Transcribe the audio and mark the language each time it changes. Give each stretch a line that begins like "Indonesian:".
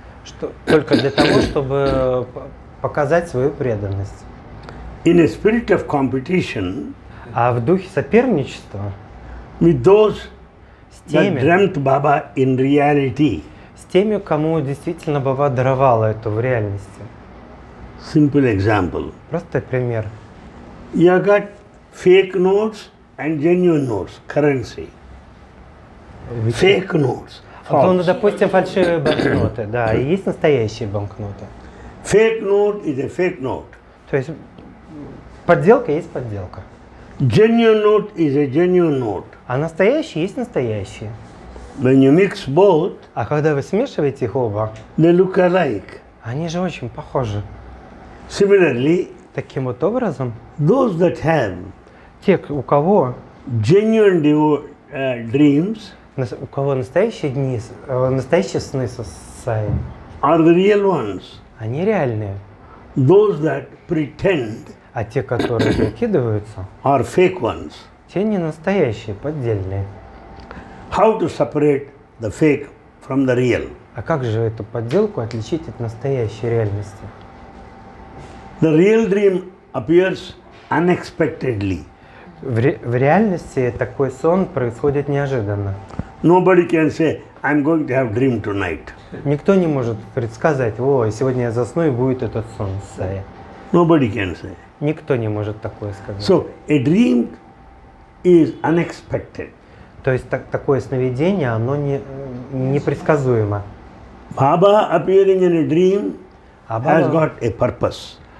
Russian: Что только для того, чтобы показать свою преданность.
English: In a spirit of competition.
Russian: А в духе соперничества.
English: With those that dreamt Baba in reality.
Russian: С теми, кому действительно Баба даровала эту в реальности.
English: Simple example.
Russian: Простой пример.
English: You got fake notes and genuine notes, currency. Fake notes. False.
Russian: Вот он, допустим, фальшивые банкноты, да, и есть настоящие банкноты.
English: Fake note is a fake note.
Russian: То есть подделка есть подделка.
English: Genuine note is a genuine note.
Russian: А настоящие есть настоящие.
English: When you mix both,
Russian: а когда вы смешиваете их оба,
English: they look alike.
Russian: Они же очень похожи.
English: Similarly.
Russian: Таким вот образом.
English: Those that have.
Russian: Те, у кого.
English: Genuine dreams.
Russian: У кого настоящие дни, настоящие сны со Сайей.
English: Are the real ones.
Russian: Они реальные.
English: Those that pretend.
Russian: А те, которые прикидываются.
English: Are fake ones.
Russian: Те не настоящие, поддельные.
English: How to separate the fake from the real?
Russian: А как же эту подделку отличить от настоящей реальности?
English: The real dream appears unexpectedly.
Russian: В реальности такой сон происходит неожиданно.
English: Nobody can say, I'm going to have dream tonight.
Russian: Никто не может предсказать, о, сегодня я засну и будет этот сон с Сайей.
English: Nobody can say.
Russian: Никто не может такое сказать.
English: So a dream is unexpected.
Russian: То есть такое сновидение, оно непредсказуемо.
English: Baba appearing in a dream has got a purpose.